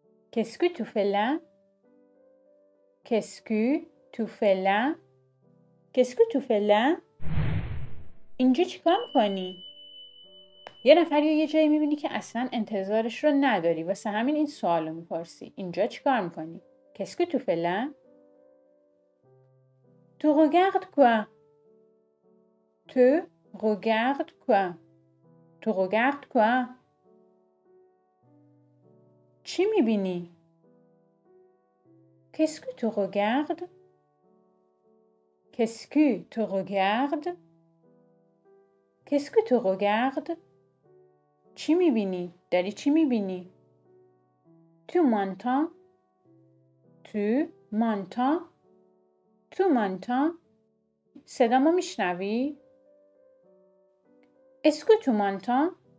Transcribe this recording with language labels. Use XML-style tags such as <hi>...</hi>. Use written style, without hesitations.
<fr>Qu'est-ce que tu fais là? Qu'est-ce que tu fais là? Qu'est-ce que tu fais là?</fr> <fa>اینجا چی کار میکنی؟ یه نفر یا یه جایی میبینی که اصلا انتظارش رو نداری واسه همین این سوال رو میپرسی. اینجا چی کار میکنی؟</fa> <fr>Qu'est-ce que tu fais là? Tu regardes quoi? Tu regardes quoi? Tu regardes quoi?</fr> <fa>چی میبینی؟</fa> <fr>Qu'est-ce que tu regardes? Qu'est-ce que tu regardes? Qu'est-ce que tu regardes?</fr> <fa>چی میبینی؟ داری چی میبینی؟</fa> <fr>Tu m'entends? Tu m'entends? Tu m'entends?</fr> <fa>صدامو میشنوی؟</fa> <fr>Est-ce que tu m'entends?</fr>